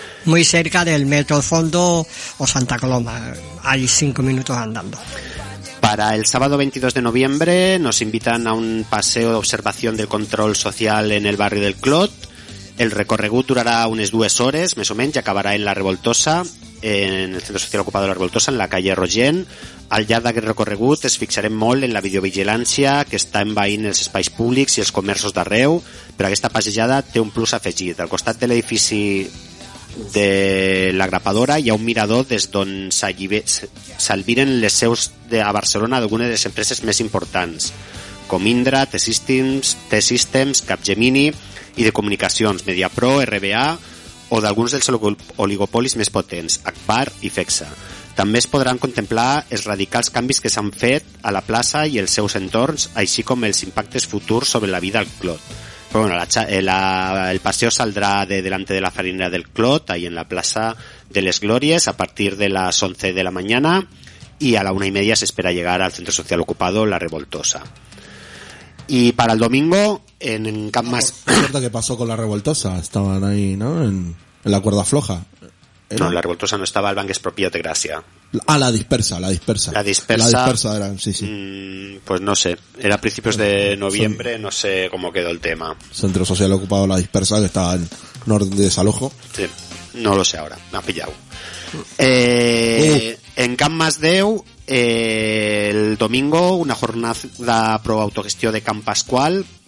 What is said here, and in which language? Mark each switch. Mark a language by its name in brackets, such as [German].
[Spanish] Muy cerca del Metro Fondo o Santa Coloma, hay 5 minutos andando. Para el sábado 22 de noviembre nos invitan a un paseo de observación del control social en el barrio del Clot. [Catalan] El recorregut [Spanish] durará unes 2 hores, más o menos, y acabará en La Revoltosa, en el centro social ocupado de La Revoltosa, en la calle Rogent. [Catalan] Al llarg d'aquest recorregut es fixarem molt en la videovigilància que està envaint els espais públics i els comerços d'arreu, però aquesta passejada té un plus afegit. Al costat de l'edifici de la grapadora hi ha un mirador des d'on s'alviren les seus de a Barcelona d'algunes de les empreses més importants com Indra, T-Systems, Capgemini i de comunicacions, Mediapro, RBA o d'alguns dels oligopolis més potents, Agbar i Fexa. També es podran contemplar els radicals canvis que s'han fet a la plaça i els seus entorns, així com els impactes futurs sobre la vida al Clot. [Spanish] Però bueno, el paseo saldrà de delante de la farinera del Clot, ahí en la plaça de les Glòries, a partir de les 11 de la mañana, y a la 1:30 se espera llegar al centro social ocupado La Revoltosa. Y para el domingo, en Camp Mas... ¿Qué pasó con La Revoltosa? Estaban ahí, ¿no? En la cuerda floja. ¿Era? No, La Revoltosa no estaba, el Banc Expropiat de Gràcia. Ah, la dispersa. La dispersa era, sí. Pues no sé, era a principios de noviembre, no sé cómo quedó el tema. Centro social ocupado La Dispersa, que estaba en orden de desalojo. Sí, no lo sé ahora, me ha pillado. En Camp Mas Déu, el domingo, una jornada pro autogestió de Camp Pasqual,